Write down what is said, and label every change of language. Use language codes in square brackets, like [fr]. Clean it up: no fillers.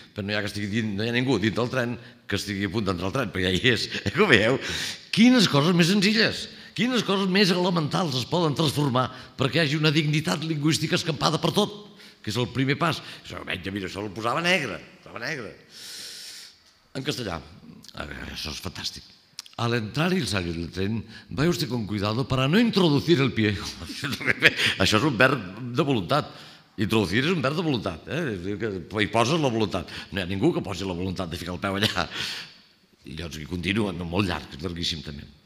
[ca] Però no hi ha, que estigui dint, no hi ha ningú dintre del tren que estigui a punt d'entrar al tren, perquè ja hi és. Ho veieu? Quines coses més senzilles! Quines coses més elementals es poden transformar perquè hi hagi una dignitat lingüística escampada per tot, que és el primer pas. Això, menja, mira, això el posava negre, posava negre. En castellà, això és fantàstic. A l'entrar [es] i salir del tren, vaya usted con cuidado para no introducir el pie. [ca] Això és un verb de voluntat. Introducir és un verb de voluntat. Hi poses la voluntat. No hi ha ningú que posi la voluntat de ficar el peu allà. I llavors hi continua, no, molt llarg, és llarguíssim també.